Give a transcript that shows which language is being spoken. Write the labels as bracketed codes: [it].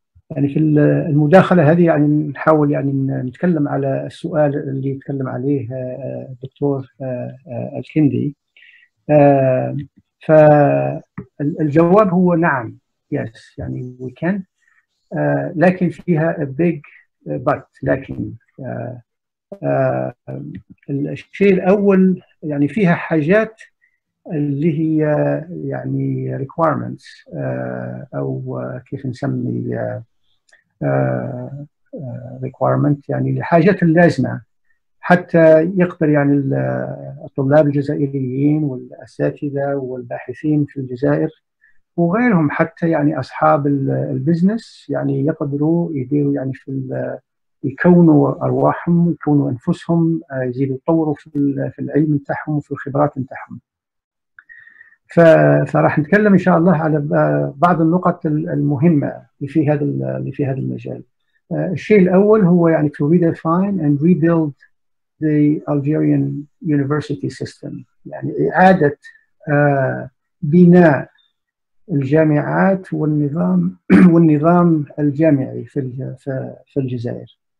[ar] يعني في المداخلة هذه يعني نحاول يعني نتكلم على السؤال اللي يتكلم عليه الدكتور الكندي. فالجواب هو نعم. [en] Yes, يعني we can. لكن فيها a big but. [ar] لكن الشيء الأول يعني فيها حاجات اللي هي يعني requirements أو كيف نسمي requirement يعني الحاجات اللازمة حتى يقبل يعني الطلاب الجزائريين والأساتذة والباحثين في الجزائر وغيرهم حتى يعني أصحاب البزنس يعني يقدروا يديروا يعني في يكونوا أرواحهم يكونوا أنفسهم يزيدوا يطوروا في العلم نتاعهم وفي الخبرات نتاعهم. فراح نتكلم إن شاء الله على بعض النقط المهمة في هذا المجال. [en] الشيء الأول هو يعني to redefine and rebuild the Algerian university system. [ar] يعني إعادة بناء الجامعات والنظام الجامعي في الجزائر.